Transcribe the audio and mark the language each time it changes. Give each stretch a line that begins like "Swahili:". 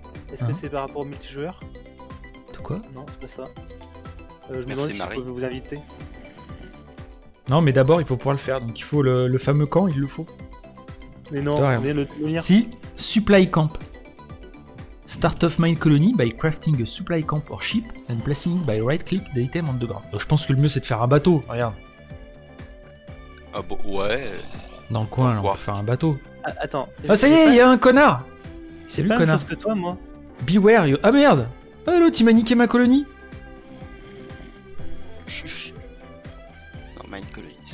French: Est-ce que c'est par rapport au multijoueur? De quoi? Non, c'est pas ça. Je me demande si je peux vous inviter. Non, mais d'abord, il faut pouvoir le faire. Donc il faut le fameux camp, il le faut. Mais non, mais le tenir. Si, supply camp.
English: Start of mine colony by crafting a supply camp or ship and placing by right click the item on the ground.
French: Donc je pense que le mieux c'est de faire un bateau, regarde. Ah bon, ouais. Dans le coin, là, on peut faire un bateau. Attends. Ah ça y est, il y a un connard. C'est lui, pas connard. Même chose que toi, moi.
English: Beware, you...
French: Ah merde. Ah l'autre, il m'a niqué ma colonie. Chuch. Non, mine colony.